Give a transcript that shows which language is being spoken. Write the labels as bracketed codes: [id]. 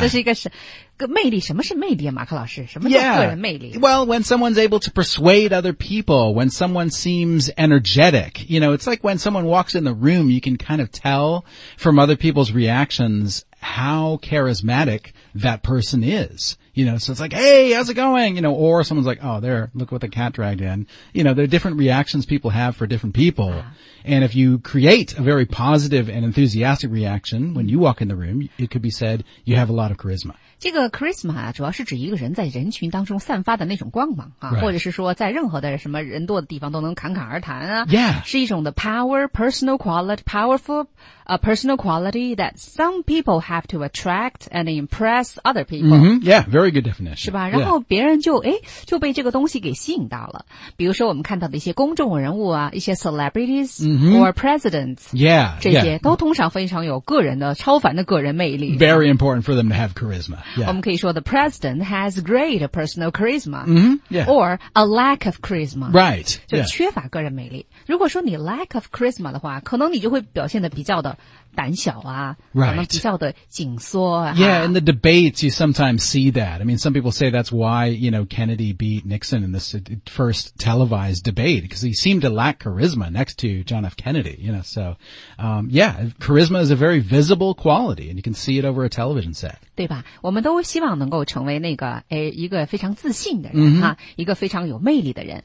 [zh] 这是一个是个魅力，什么是魅力啊，马克老师？什么叫个人魅力？ [en] Yeah. Well, when someone's able to persuade other people, when someone seems energetic, you know, it's like when someone walks in the room, you can kind of tell from other people's reactions how charismatic that person is. You know, so it's like, hey, how's it going? You know, or someone's like, oh, there, look what the cat dragged in. You know, there are different reactions people have for different people. And if you create a very positive and enthusiastic reaction when you walk in the room, it could be said you have a lot of charisma. [zh] 这个 charisma 主要是指一个人在人群当中散发的那种光芒啊、或者是说在任何的什么人多的地方都能侃侃而谈啊。 Yeah. [en] 是一种的 power, personal quality, powerful, personal quality that some people have to attract and impress other people.、 Mm-hmm. Yeah, very good definition. [zh] 是吧然后别人就、yeah. 诶就被这个东西给吸引到了。比如说我们看到的一些公众人物啊一些 celebrities,、 mm-hmm. [en] or presidents. Yeah. [zh] 这些都通常非常有个人的、 [en] yeah. [zh] 超凡的个人魅力。 [en] Very important for them to have charisma. Yeah. 我们可以说 the president has great personal charisma、 mm-hmm. yeah. or a lack of charisma. Right. [zh] 就缺乏个人魅力。如果说你 lack of charisma 的话可能你就会表现得比较的胆小啊、 [en] right. [zh] 可能比较的紧缩、啊。 [en] Yeah, in the debates you sometimes see that. I mean, some people say that's why, you know, Kennedy beat Nixon in this first televised debate because he seemed to lack charisma next to John F. Kennedy, you know, so,、yeah, charisma is a very visible quality and you can see it over a television set. [zh] 对吧我们都希望能够成为那个诶一个非常自信的人、 mm-hmm. 哈一个非常有魅力的人。